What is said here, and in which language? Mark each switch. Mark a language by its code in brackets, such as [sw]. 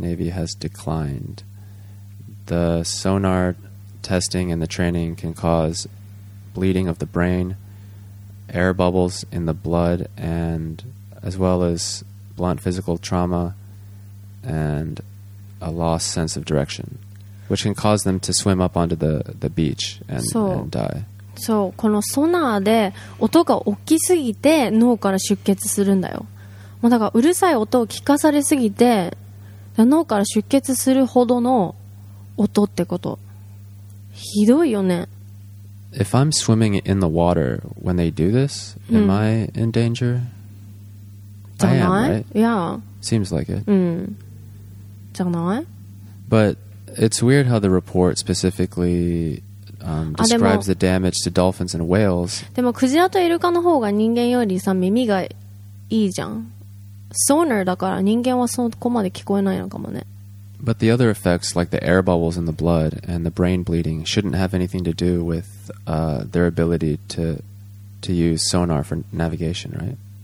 [en] Navy has declined. The sonar testing and the training can cause bleeding of the brain, air bubbles in the blood, and as well as blunt physical trauma and a lost sense of direction, which can cause them to swim up onto the beach and die. [ja] そう、このソナーで音が大きすぎて脳から出血するんだよ。だからうるさい音を聞かされすぎて脳から出血するほどの音ってこと。ひどいよね。 [en] If I'm swimming in the water when they do this, am I in danger? [ja] じゃない? [en] I am, right? Yeah. Seems like it. [ja] じゃない? [en] But it's weird how the report specifically describes the damage to dolphins and whales. [ja] でもクジラとイルカの方が人間よりさ耳がいいじゃん。 Sonar だから人間はそこまで聞こえないのかもね。 [en] But the other effects, like the air bubbles in the blood and the brain bleeding, shouldn't have anything to do with their ability to use sonar for navigation, right?